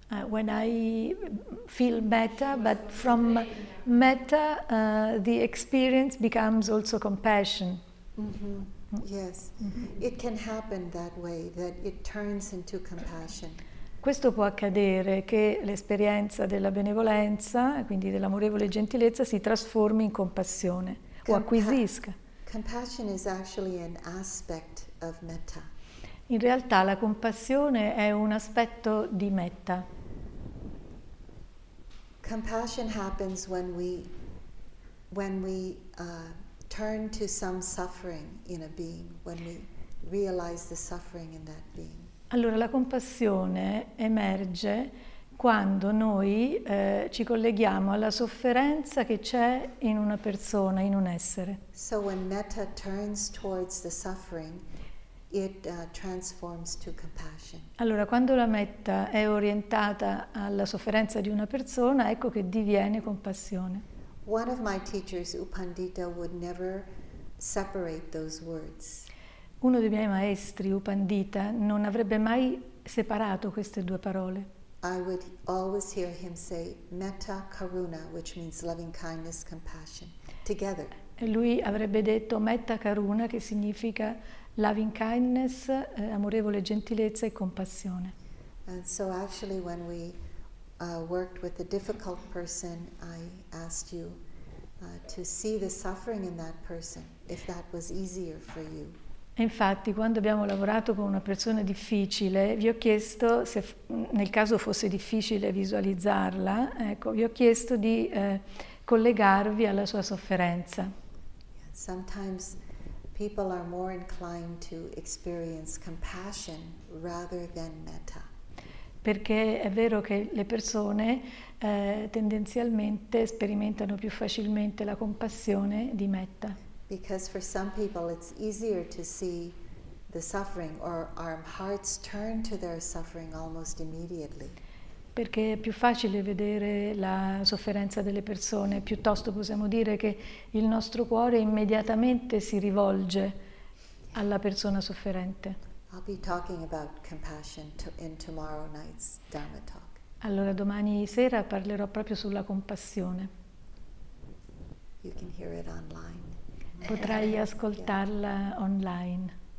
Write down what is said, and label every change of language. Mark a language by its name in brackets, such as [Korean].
[English] When I feel metta, but from metta, the experience becomes also compassion. Mm-hmm. Yes, it can happen that way, that it turns into compassion. [Italian] Questo può accadere, che l'esperienza della benevolenza, quindi dell'amorevole gentilezza, si trasformi in compassione, o acquisisca. [English] Compassion is actually an aspect of metta. [Italian] In realtà la compassione è un aspetto di metta. [English] Compassion happens when we turn to some suffering in a being, when we realize the suffering in that being. [Italian] Allora la compassione emerge quando noi ci colleghiamo alla sofferenza che c'è in una persona, in un essere. [English] So when metta turns towards the suffering, it transforms to compassion. [Italian] Allora, quando la metta è orientata alla sofferenza di una persona, ecco che diviene compassione. [English] One of my teachers, Upandita, would never separate those words. [Italian] Uno dei miei maestri, Upandita, non avrebbe mai separato queste due parole. [English] I would always hear him say metta karuna, which means loving kindness, compassion, together. [Italian] E lui avrebbe detto metta karuna, che significa [English] loving kindness, [Italian] amorevole gentilezza e compassione. [English] And so actually when we worked with a difficult person, I asked you to see the suffering in that person, if that was easier for you. [Italian] E infatti, quando abbiamo lavorato con una persona difficile, vi ho chiesto se nel caso fosse difficile visualizzarla, ecco, vi ho chiesto di collegarvi alla sua sofferenza. [English] Sometimes people are more inclined to experience compassion rather than metta. [Italian] Perché è vero che le persone tendenzialmente sperimentano più facilmente la compassione di metta. [English] Because for some people it's easier to see the suffering, or our hearts turn to their suffering almost immediately. [Italian] Perché è più facile vedere la sofferenza delle persone, piuttosto possiamo dire che il nostro cuore immediatamente si rivolge alla persona sofferente. [English] I'll be talking about compassion in tomorrow night's Dharma talk. [Italian] Allora domani sera parlerò proprio sulla compassione. [English] You can hear it online. [Italian] Potrai ascoltarla yeah. online.